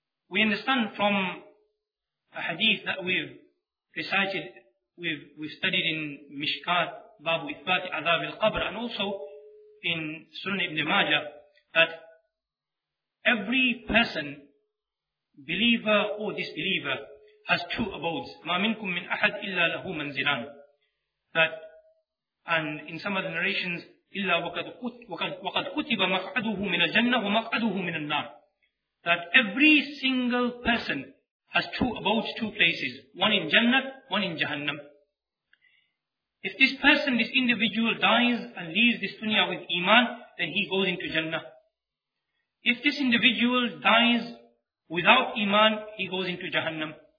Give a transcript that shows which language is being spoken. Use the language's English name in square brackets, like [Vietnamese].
[English] We understand from a hadith that we've recited, we've studied in Mishkat, Babu Ithbati Adhab al-Qabr, and also in Sunnah Ibn Majah, that every person, believer or disbeliever, has two abodes. [Arabic] مَا مِنْكُمْ مِنْ أَحَدْ إِلَّا لَهُ مَنْزِلًا. [English] That, and in some other narrations, [Arabic] إِلَّا وَقَدْ كُتِبَ مَقْعَدُهُ مِنَ الْجَنَّةُ وَمَقْعَدُهُ مِنَ النَّارِ. [English] That every single person has two abodes, two places. One in Jannah, one in Jahannam. If this person, this individual dies and leaves this dunya with iman, then he goes into Jannah. If this individual dies without iman, he goes into Jahannam.